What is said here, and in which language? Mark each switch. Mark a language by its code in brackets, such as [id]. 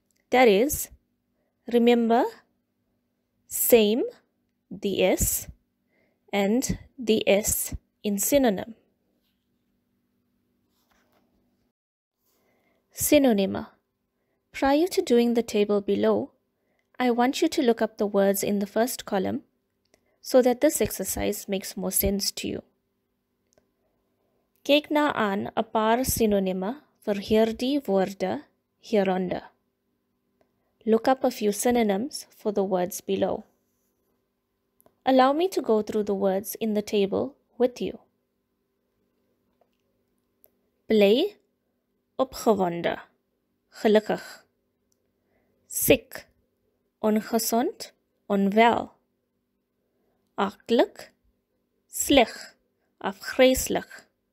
[en] That is, remember, same, the s, and the s in synonym. [af] Synonyme. [en] Prior to doing the table below, I want you to look up the words in the first column so that this exercise makes more sense to you. [af] Kyk na aan 'n paar synonyme vir hierdie woorde hieronder. [en] Look up a few synonyms for the words below. Allow me to go through the words in the table with you. [af] Bly, opgewonde, gelukkig. Siek, ongesond, onwel. Aklik, sleg, afgryslik.